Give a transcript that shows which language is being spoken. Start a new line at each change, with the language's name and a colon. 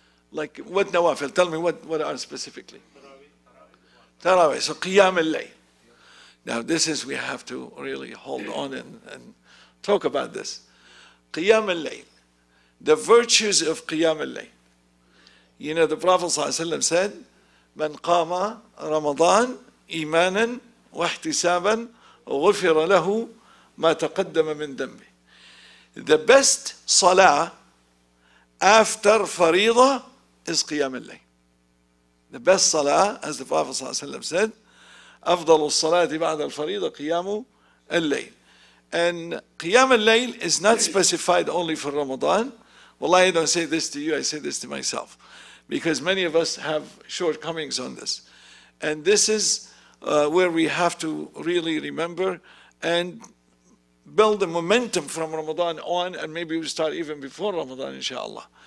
English: Like what nawafil? Tell me what are specifically? Tarawih, so qiyam al-layl. Now this is, we have to really hold on and talk about this. Qiyam al-layl, the virtues of qiyam al-layl. You know, the Prophet ﷺ said,
Arabic: من قام رمضان إيمانا واحتسابا غفر له ما تقدم من ذنبه.
English: The best salah after fariḍa is قيام الليل. The best salah, as the Prophet
Arabic: صلى الله عليه وسلم said, أفضل الصلاة بعد الفريضة قيام الليل.
English: And قيام الليل is not specified only for Ramadan. Well, I don't say this to you, I say this to myself, because many of us have shortcomings on this. And this is where we have to really remember and build the momentum from Ramadan on, and maybe we start even before Ramadan, inshallah.